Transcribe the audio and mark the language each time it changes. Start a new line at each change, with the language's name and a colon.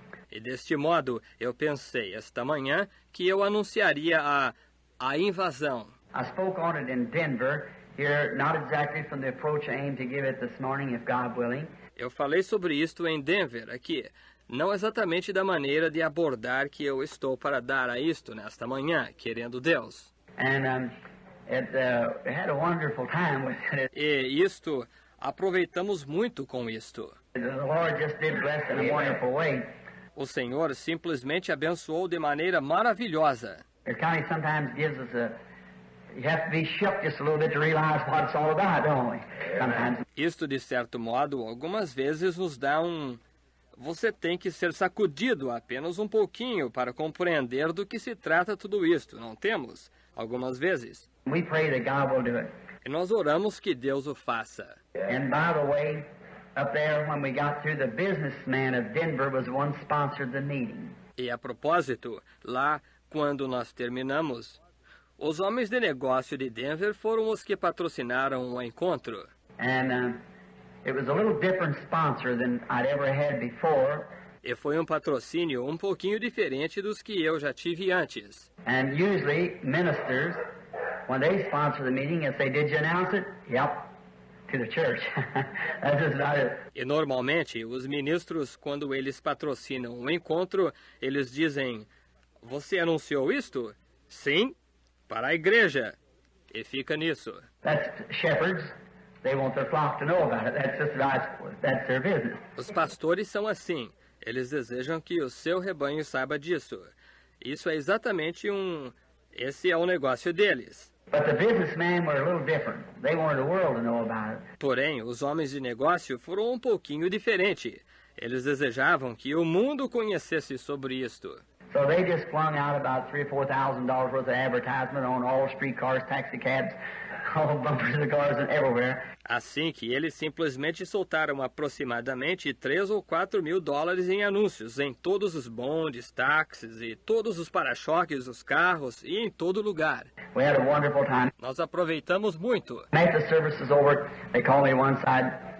Portuguese: E deste modo, eu pensei esta manhã que eu anunciaria a invasão.
English: I spoke on it in Denver, here, not exactly from the approach I aim to give it this morning, if God willing.
Portuguese: Eu falei sobre isto em Denver, aqui. Não exatamente da maneira de abordar que eu estou para dar a isto nesta manhã, querendo Deus.
English: And it had a wonderful time with it.
Portuguese: E isto, aproveitamos muito com isto.
English: The Lord just did bless in a wonderful way.
Portuguese: O Senhor simplesmente abençoou de maneira maravilhosa.
English: It kind of sometimes gives us you have to be shook just a little bit to realize what it's all about, don't we? Sometimes.
Portuguese: Isto, de certo modo, algumas vezes nos dá você tem que ser sacudido apenas um pouquinho para compreender do que se trata tudo isto, não temos? Algumas vezes.
English: We pray that God will do it.
Portuguese: E nós oramos que Deus o faça.
English: And by the way, up there when we got through, the businessman of Denver was the one sponsored the meeting.
Portuguese: E a propósito, lá quando nós terminamos, os homens de negócio de Denver foram os que patrocinaram o encontro.
English: And it was a little different sponsor than I'd ever had before.
Portuguese: E foi um patrocínio um pouquinho diferente dos que eu já tive antes.
English: And usually ministers, when they sponsor the meeting, they say, "Did you announce it?" "Yep, to the church." That's just not it.
Portuguese: E normalmente os ministros, quando eles patrocinam um encontro, eles dizem, "Você anunciou isto?" "Sim, para a igreja." E fica nisso.
English: That's shepherds. They want their flock to know about it. That's just nice. That's their business.
Portuguese: Os pastores são assim. Eles desejam que o seu rebanho saiba disso. Isso é exatamente esse é o negócio deles.
English: But the businessmen were a little different. They wanted the world to know about it.
Portuguese: Porém, os homens de negócio foram um pouquinho diferente. Eles desejavam que o mundo conhecesse sobre isto.
English: So they just flung out about $3,000 or $4,000 worth of advertisement on all streetcars, taxicabs, all bumpers of the cars and everywhere.
Portuguese: Assim que eles simplesmente soltaram aproximadamente $3,000 ou $4,000 em anúncios em todos os bondes, táxis e todos os para-choques, os carros e em todo lugar.
English: We had a wonderful time.
Portuguese: Nós aproveitamos muito.
English: Night the service is over, they call me one side.